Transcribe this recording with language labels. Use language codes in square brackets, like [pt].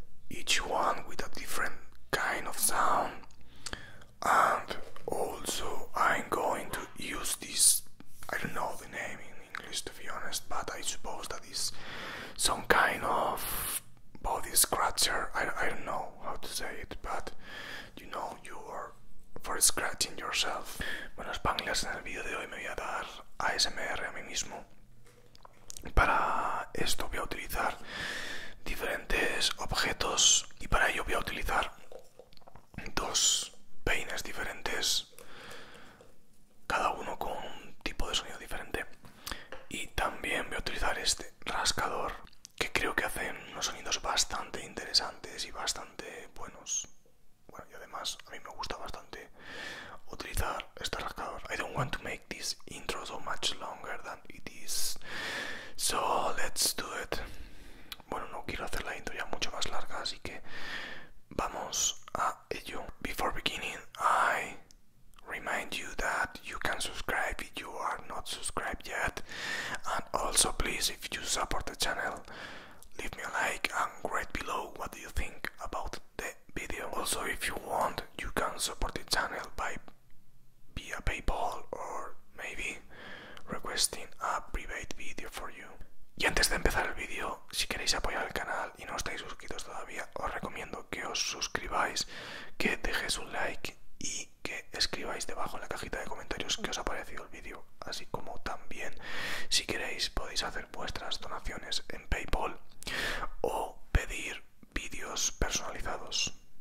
[en] Each one with a different kind of sound. And also I'm going to use this, I don't know the name in English to be honest, but I suppose that is some kind of body scratcher. I don't know how to say it, but you know, you are for scratching yourself. [es] Bueno, Spanglers, en el video de hoy me voy a dar ASMR a mí mismo. Para esto voy a utilizar diferentes objetos y para ello voy a utilizar dos peines diferentes, cada uno con un tipo de sonido diferente. Y también voy a utilizar este rascador, que creo que hacen unos sonidos bastante interesantes y bastante buenos. Bueno, y además a mí me gusta bastante utilizar este rascador. [en] I don't want to make this intro so much longer than it is. So, let's do it. [es] Bueno, no quiero hacer la intro ya mucho más larga, así que vamos a ello. [en] Before beginning, I remind you that you can subscribe if you are not subscribed yet. And also, please, if you support the channel, leave me a like and write below what you think about the video. Also, if you want, you can support the channel by via PayPal or maybe requesting a private video for you. [es] Y antes de empezar el vídeo, si queréis apoyar el canal y no estáis suscritos todavía, os recomiendo que os suscribáis, que dejéis un like y que escribáis debajo en la cajita de comentarios qué os ha parecido el vídeo. Así como también, si queréis, podéis hacer vuestras donaciones en PayPal o pedir vídeos personalizados.